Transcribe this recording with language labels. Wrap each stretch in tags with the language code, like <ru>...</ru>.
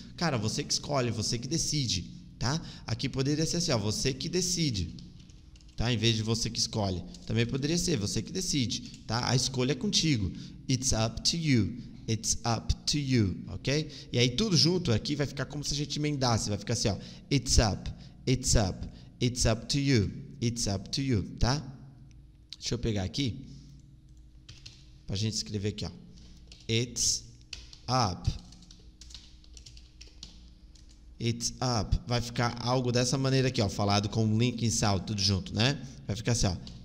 <pt>Cara, você que escolhe, você que decide, tá? Aqui poderia ser assim, ó, você que decide, tá? Em vez de você que escolhe. Também poderia ser, você que decide, tá? A escolha é contigo.</pt> <en>It's up to you. It's up to you, ok?</en> <pt>E aí tudo junto aqui vai ficar como se a gente emendasse. Vai ficar assim, ó.</pt> <en>It's up, it's up, it's up to you. It's up to you, tá?</en> <pt>Deixa eu pegar aqui pra gente escrever aqui, ó.</pt> <en>It's up. It's up.</en> <pt>Vai ficar algo dessa maneira aqui, ó. Falado com um link em salto, tudo junto, né? Vai ficar assim, ó.</pt>